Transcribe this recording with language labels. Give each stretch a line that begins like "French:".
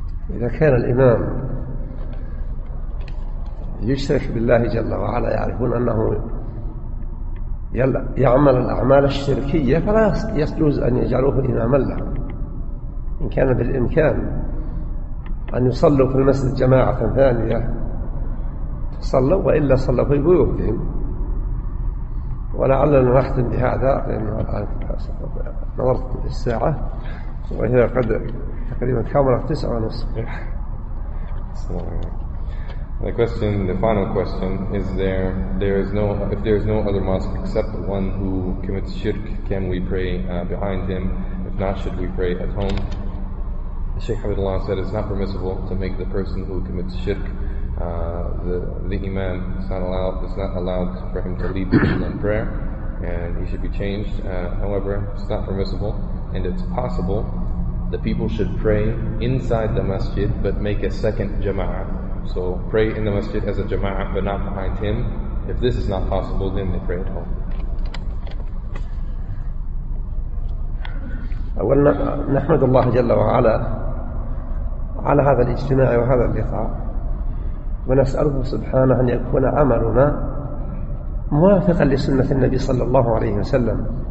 Arabic: إذا كان الإمام يشرك بالله جل وعلا يعرفون أنه يعمل الأعمال الشركية فلا يجوز أن يجعلوه إماما له إن كان بالإمكان أن يصلوا في المسجد جماعة ثانية صلوا وإلا صلوا في بيوتهم ولعلنا نختم بهذا لأنه الآن نظرت الساعة وهي قد تقريبا كاملت 9:30.
English: The question, the final question, is there is no other mosque except the one who commits shirk, can we pray behind him? If not, should we pray at home? Shaykh Hamidullah said it's not permissible to make the person who commits shirk the imam. It's not allowed for him to lead the people in prayer, and he should be changed. However, it's not permissible, and it's possible the people should pray inside the masjid but make a second jama'ah. So pray in the masjid as a jama'ah, but not behind him. If this is not possible, then they pray at home.
Arabic: أولا نحمد الله جل وعلا على هذا الاجتماع وهذا اللقاء، ونسأله سبحانه أن يكون عملنا موافقا لسنة النبي صلى الله عليه وسلم،